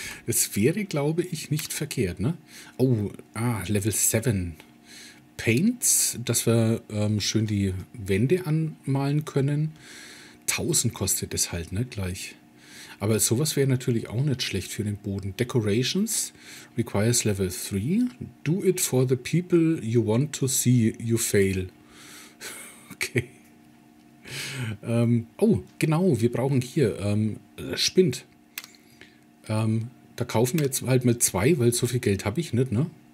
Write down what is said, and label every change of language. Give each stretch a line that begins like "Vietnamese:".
German: Es wäre, glaube ich, nicht verkehrt, ne? Oh, Level 7. Paints, dass wir schön die Wände anmalen können. 1000 kostet es halt, ne, gleich. Aber sowas wäre natürlich auch nicht schlecht für den Boden.
English: Decorations requires Level 3. Do it for the people you want to see you fail. Okay.
German: Oh, genau, wir brauchen hier Spind. Da kaufen wir jetzt halt mal 2, weil so viel Geld habe ich nicht, ne?